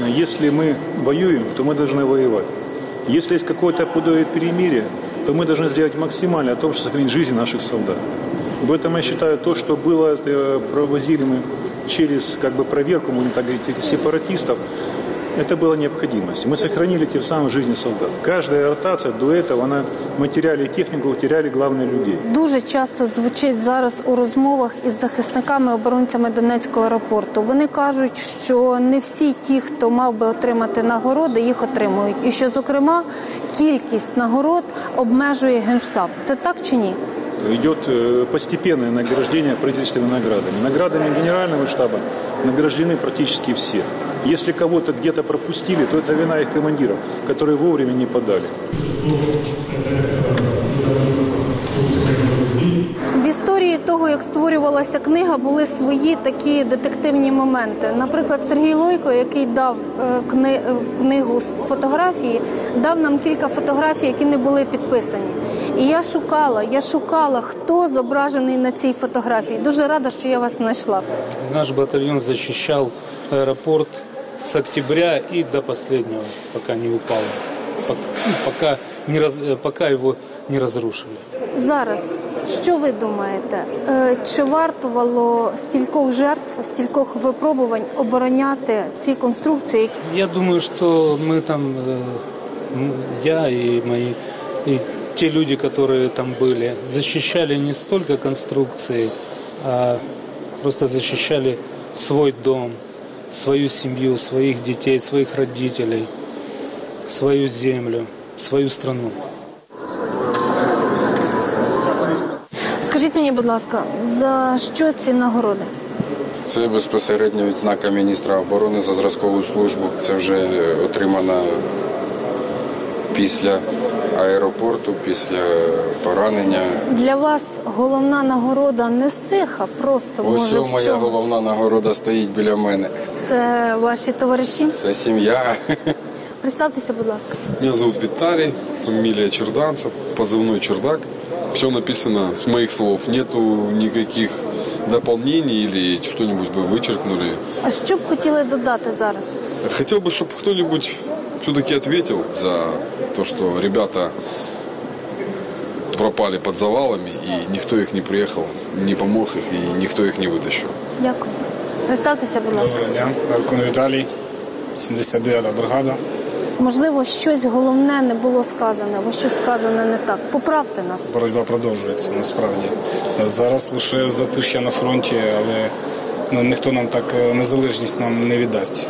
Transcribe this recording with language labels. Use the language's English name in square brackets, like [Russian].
[Ukrainian] Якщо ми воюємо, то ми повинні воювати. Якщо є якесь подобає перемир'я, то ми повинні зробити максимально для того, щоб зберігати життя наших солдат. В цьому я вважаю, те, що було провозимо через перевірку, будемо так говорити, сепаратистів, [Russian] это была необходимость. Мы сохранили тем самым жизни солдат. Каждая ротация до этого, она, мы теряли технику, теряли главных людей. [Ukrainian] Дуже часто звучить зараз у розмовах із захисниками, оборонцями Донецького аеропорту. Вони кажуть, що не всі ті, хто мав би отримати нагороди, їх отримують. І що, зокрема, кількість нагород обмежує Генштаб. Це так чи ні? [Russian] Идет постепенное награждение правительственными наградами. Наградами генерального штаба награждены практически все. Если кого-то где-то пропустили, то это вина их командиров, которые вовремя не подали. [Ukrainian] В історії того, як створювалася книга, були свої такі детективні моменти. Наприклад, Сергій Лойко, який дав книгу з фотографії, дав нам кілька фотографій, які не були підписані. І я шукала, хто зображений на цій фотографії. Дуже рада, що я вас знайшла. Наш батальйон захищав аеропорт з октября і до останнього, поки не упало, поки його не розрушили. Зараз, що ви думаєте, чи вартувало стількох жертв, стількох випробувань обороняти ці конструкції? Я думаю, що ми там, я і мої [Russian] и те люди, которые там были, защищали не столько конструкции, а просто защищали свой дом, свою семью, своих детей, своих родителей, свою землю, свою страну. [Ukrainian] Скажіть мені, будь ласка, за що ці нагороди? Це безпосередньо відзнака міністра оборони за зразкову службу. Це вже отримано після аеропорту, після поранення. Для вас головна нагорода не з цих, а просто, ось може, в чомусь? Ось моя головна нагорода стоїть біля мене. Це ваші товариші? Це сім'я. Представтеся, будь ласка. Мене звуть Віталій, фамілія Черданцев, позивний Чердак. [Russian] Все написано, [Ukrainian] з моїх слов, [Russian] нету [Ukrainian] ніяких доповнений [Russian] или что-нибудь бы вычеркнули. А что бы хотели [Ukrainian] додати зараз? [Russian] Хотел бы, чтобы кто-нибудь все-таки ответил за то, что ребята пропали под завалами, и никто их не приехал, не помог их, и никто их не вытащил. [Ukrainian] Дякую. Представьтеся, будь ласка. Доброго дня. Аркун Віталій, 79-та бригада. Можливо, щось головне не було сказане, або щось сказане не так. Поправте нас. Боротьба продовжується, насправді. Зараз лише затишня на фронті, але ніхто нам так незалежність нам не віддасть.